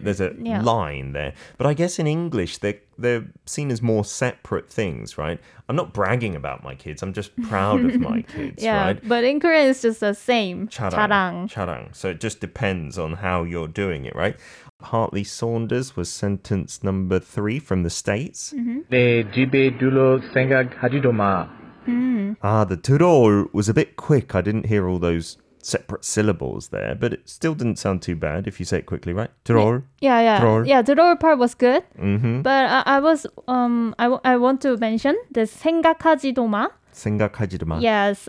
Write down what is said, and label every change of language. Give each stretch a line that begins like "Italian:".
English: Mm, there's a yeah. line there. But I guess in English, they're seen as more separate things, right? I'm not bragging about my kids. I'm just proud of my kids, yeah, right? But in Korean, it's just the same.
Korean: 자랑. 자랑.
English: So it just depends on how you're doing it, right? Hartley Saunders was sentence number 3 from the States.
Korean: 네, 집에 들어올 생각하지도 마.
English: Ah, the 들어올 was a bit quick. I didn't hear all those separate syllables there, but it still didn't sound too bad if you say it quickly, right?
Korean: 들어올.
English: Yeah, yeah.
Korean: 들어올.
English: Yeah, 들어올 part was good. Mm-hmm. But I want to mention this
Korean: 생각하지도 마. 생각하지도 마.
English: Yes.